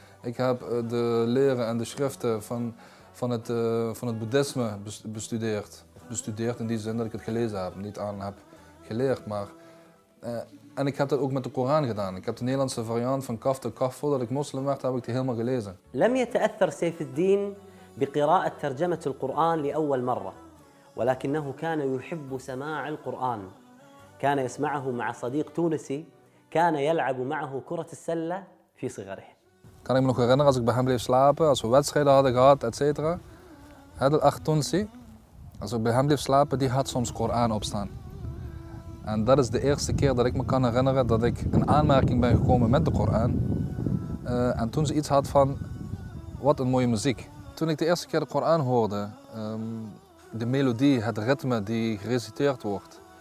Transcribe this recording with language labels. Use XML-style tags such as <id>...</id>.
<nl>Ik heb de leren en de schriften van het Boeddhisme bestudeerd. Bestudeerd in die zin dat ik het gelezen heb, niet aan heb geleerd. Maar, en ik heb dat ook met de Koran gedaan. Ik heb de Nederlandse variant van kaf tot kaf, voordat ik moslim werd, heb ik die helemaal gelezen.</nl> <ar>لم يتأثر سيف الدين بقراءة ترجمة القرآن لأول مرة. ولكنه كان يحب سماع القرآن كان يسمعه مع صديق تونسي كان يلعب معه كرة السلة في صغره.</ar> <nl>Kan ik me nog herinneren als ik bij hem bleef slapen, als we wedstrijden hadden gehad, et cetera. Het acht Tunsi, als ik bij hem bleef slapen, die had soms Koran opstaan. En dat is de eerste keer dat ik me kan herinneren dat ik in aanmerking ben gekomen met de Koran. En toen ze iets had van, wat een mooie muziek. Toen ik de eerste keer de Koran hoorde, de melodie, het ritme die gereciteerd wordt.</nl>